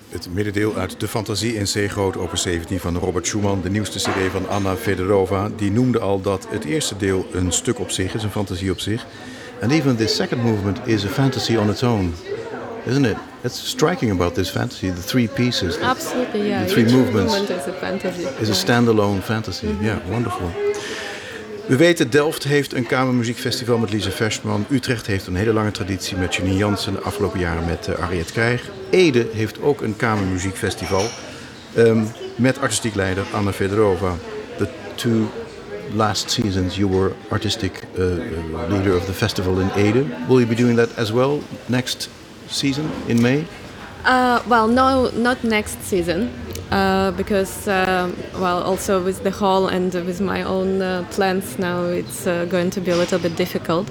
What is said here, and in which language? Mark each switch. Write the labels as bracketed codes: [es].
[nl] middendeel uit De Fantasie in C groot, opus 17 van Robert Schumann, de nieuwste cd van Anna Fedorova. Die noemde al dat het eerste deel een stuk op zich is, een fantasie op zich. [en] And even this second movement is a fantasy on its own, isn't it? It's striking about this fantasy, the three pieces. Absolutely, yeah. The three movements. Each movement is a standalone fantasy. Mm-hmm. Yeah, wonderful. [nl] We weten, Delft heeft een kamermuziekfestival met Lize Versman. Utrecht heeft een hele lange traditie met Janine Jansen, afgelopen jaren met Ariët Krijg. Ede heeft ook een kamermuziekfestival met artistiek leider Anna Fedorova. [en] The two last seasons you were artistic leader of the festival in Ede. Will you be doing that as well next season in May? Well, no, not next season, because, well, also with the hall and with my own plans now, it's going to be a little bit difficult.